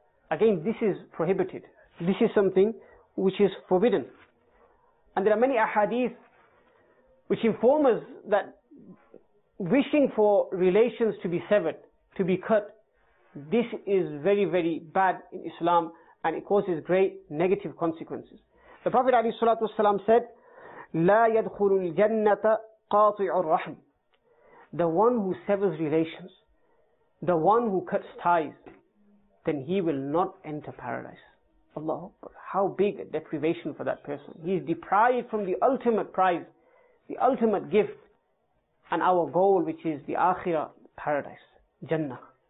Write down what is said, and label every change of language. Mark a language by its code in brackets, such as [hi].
[en] Again, this is prohibited. This is something which is forbidden. And there are many ahadith which inform us that wishing for relations to be severed, to be cut, this is very, very bad in Islam, and it causes great negative consequences. The Prophet ﷺ said, [ar] لا يدخل الجنة قاطع الرحم. [en] The one who severs relations, the one who cuts ties, then he will not enter paradise. Allahu Akbar. How big a deprivation for that person. He is deprived from the ultimate prize, the ultimate gift, and our goal, which is the Akhirah, paradise, Jannah.